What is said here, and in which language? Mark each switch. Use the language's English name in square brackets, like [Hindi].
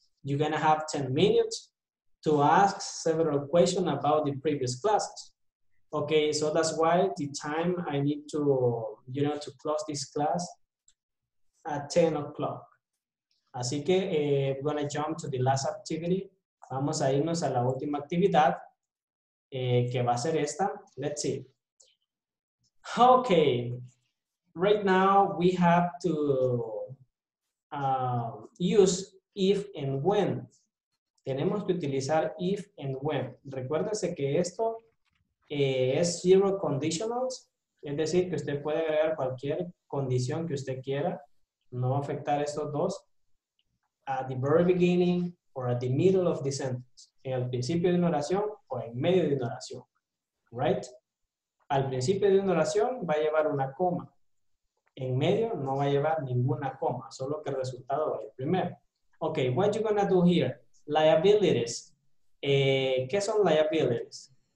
[English] You're going to have 10 minutes to ask several questions about the previous classes. Okay, so that's why the time I need to, you know, to close this class at 10 o'clock. [Spanish] Así que [English] we're going to jump to the last activity. [Spanish] Vamos a irnos a la última actividad, que va a ser esta. Let's see. [English] Okay, right now we have to use if and when. [Spanish] Tenemos que utilizar if and when. Recuérdense que esto es zero conditionals, es decir, que usted puede agregar cualquier condición que usted quiera. No va a afectar estos dos. [English] At the very beginning or at the middle of the sentence. [Spanish] En el principio de una oración o en medio de una oración. Right? Al principio de una oración va a llevar una coma. En medio no va a llevar ninguna coma, solo que el resultado va a ir primero. [English] Okay, what you gonna do here? Liabilities. [Spanish] ¿Qué son [English] liabilities?